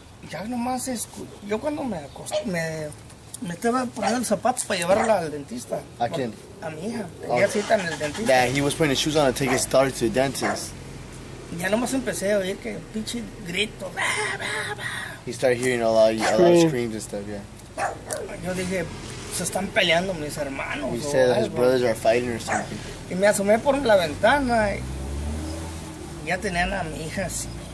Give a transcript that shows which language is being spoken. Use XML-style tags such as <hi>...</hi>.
<es>Ya nomás escuché. Yo cuando me acosté, me estaba poniendo los zapatos para llevarla al dentista. ¿A quién? A mi hija. Oh. Ella cita en el dentista.</es> <en>Yeah, he was putting his shoes on to take his daughter to the dentist.</en> <es>Ya nomás empecé a oír que pinche grito. Bah, bah, bah.</es> <en>He started hearing a lot of screams and stuff, yeah.</en> <es>Yo dije, se están peleando mis hermanos.</es> <en>He said that his brothers are fighting or something.</en> <es>Y me asomé por la ventana y ya tenían a mi hija así.</es>